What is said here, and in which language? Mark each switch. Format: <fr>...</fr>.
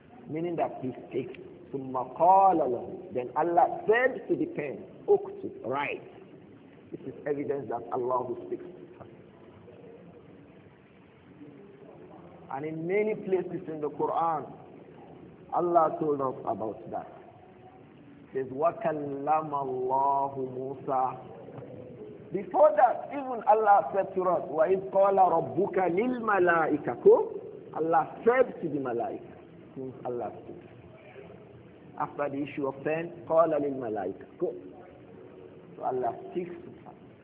<en>Meaning that He speaks.</en> <ar>ثُمَّ قَالَ لَهُ.</ar> <en>Then Allah said to the pen,</en> <ar>اُكْتُبْ,</ar> <en>write. This is evidence that Allah who speaks. And in many places in the Quran, Allah told us about that. It says,</en> <ar>وَكَلَّمَ اللَّهُ مُوسَىٰ.</ar> <en>Before that, even Allah said to us,</en> <ar>وَإِذْ قَالَ رَبُّكَ لِلْمَلَائِكَةُ.</ar> <en>Allah said to the Malaika. Means Allah said. After the issue of pain,</en> <ar>قَالَ لِلْمَلَائِكَةُ.</ar> <en>So Allah speaks to us.</en>